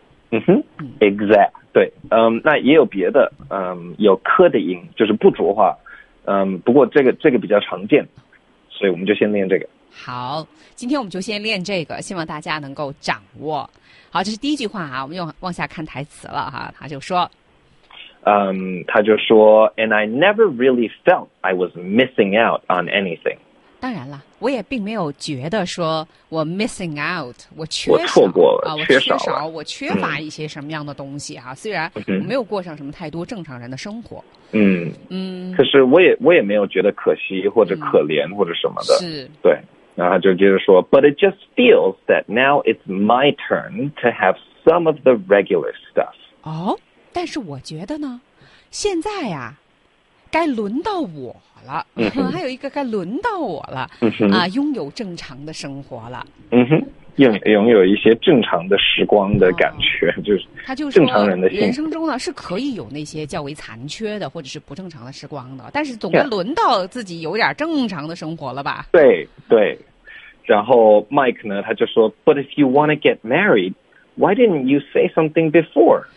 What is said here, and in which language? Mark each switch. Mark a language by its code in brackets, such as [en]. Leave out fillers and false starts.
[zh] 嗯哼 exact 对，嗯，那也有别的，嗯，有科的音就是不浊化，嗯，不过这个比较常见，所以我们就先练这个。好，今天我们就先练这个，希望大家能够掌握。好，这是第一句话啊，我们又往下看台词了哈。他就说，他就说 [en] ，And I never really felt I was missing out on anything。 [zh] 当然了，我也并没有觉得说我 [en] missing out， [zh] 我缺少，我错过了，我缺少了，我缺乏一些什么样的东西哈、啊嗯。虽然我没有过上什么太多正常人的生活。嗯，可是我也没有觉得可惜或者可怜或者什么的、嗯、是，对，然后就接着说 [en] But it just feels that now it's my turn to have some of the regular stuff。 [zh] 哦，但是我觉得呢现在呀该轮到我了、嗯、还有一个该轮到我了、嗯、啊，拥有正常的生活了，嗯哼，拥有一些正常的时光的感觉、哦、就是他就正常人的人生中呢是可以有那些较为残缺的或者是不正常的时光的，但是总该轮到自己有点正常的生活了吧、 [en] yeah. [zh] 对对，然后 [en] Mike [zh] 呢他就说 [en] But if you want to get married why didn't you say something before。